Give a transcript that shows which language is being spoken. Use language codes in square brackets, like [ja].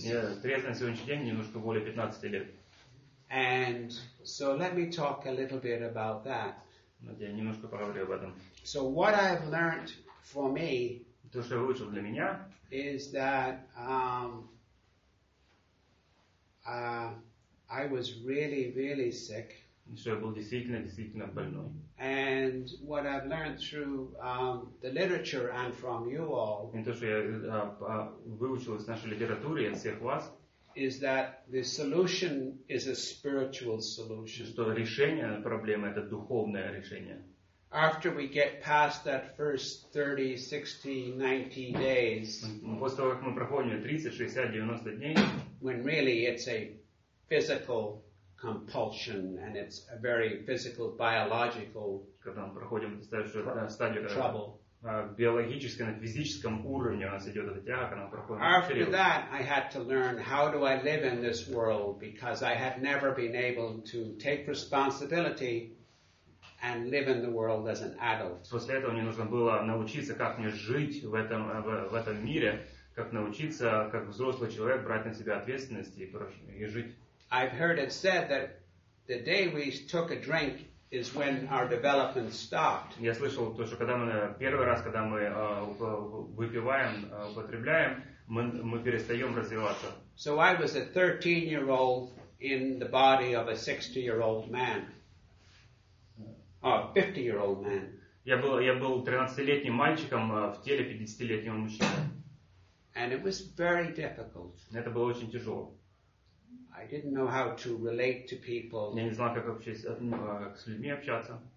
[ru] Я трезв на сегодняшний день немножко более 15 лет. [en] And so let me talk a little bit about that. [ru] Я немножко поговорю об этом. [en] So what I've learned for me, [ru] то, что я выучил для меня, [en] is that I was really, really sick. [ru] Что я был действительно, действительно больной. [en] And what I've learned through the literature and from you all, [ru] и то, что я выучил из нашей литературы и от всех вас, [en] is that the solution is a spiritual solution. [ru] Что решение проблемы — это духовное решение. [en] After we get past that first 30, 60, 90 days, [ru] после того, как мы проходим 30, 60, 90 дней, [en] when really it's a physical compulsion and it's a very physical, biological trouble. [ru] Биологически, на физическом уровне у нас идет эта тяга, когда мы проходим этот период. [en] After that, I had to learn how do I live in this world, because I had never been able to take responsibility and live in the world as an adult. [ru] После этого мне нужно было научиться, как мне жить в этом мире, как научиться, как взрослый человек, брать на себя ответственность и жить. [en] I've heard it said that the day we took a drink is when our development stopped. [ru] Я слышал то, что когда мы первый раз, когда мы выпиваем, употребляем, мы перестаем развиваться. [en] So I was a 13-year-old in the body of a 60-year-old man. A 50-year-old man. [ru] Я был 13-летним мальчиком в теле 50-летнего мужчины. [en] And it was very difficult. [ru] Это было очень тяжело. [en] I didn't know how to relate to people. [ru] Я не знал, как вообще с людьми общаться.